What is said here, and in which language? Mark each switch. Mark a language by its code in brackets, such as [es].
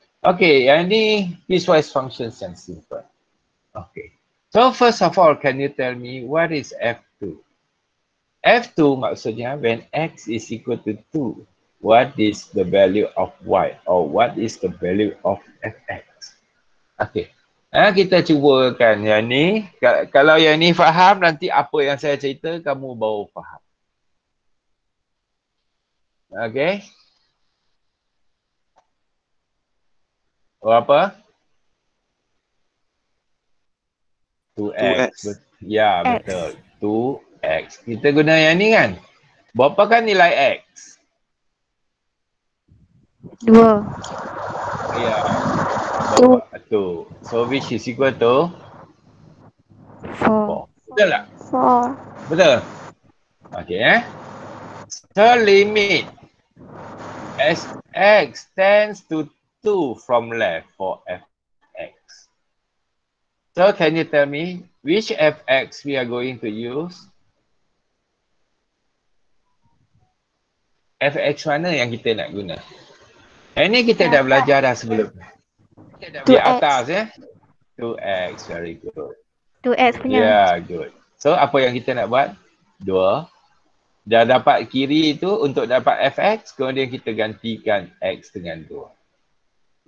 [en] Okay, [ms] yang ni [en] piecewise functions yang simple. Okay, so first of all, can you tell me what is f2? F2 maksudnya when x is equal to 2, what is the value of y or what is the value of fx? [ms] Okay. Ha, kita cubakan yang ni. Kalau yang ni faham, nanti apa yang saya cerita, kamu baru faham. Okay. Berapa? 2x. Ya, betul. 2x. Kita guna yang ni kan? Berapa kan nilai x? 2. Ya. Tu, [en] so which is equal to 4. [ms] Betul tak? 4. Betul. [en] Okay, eh. So limit as x tends to 2 from left for fx. So can you tell me which fx we are going to use? [ms] Fx mana yang kita nak guna? Ini kita dah belajar dah sebelum. 2x. Atas, ya? [en] 2x, very good. [ms] 2x punya. [en] Ya, yeah, good. So, [ms] apa yang kita nak buat? 2. Dah dapat kiri itu untuk dapat fx, kemudian kita gantikan x dengan 2.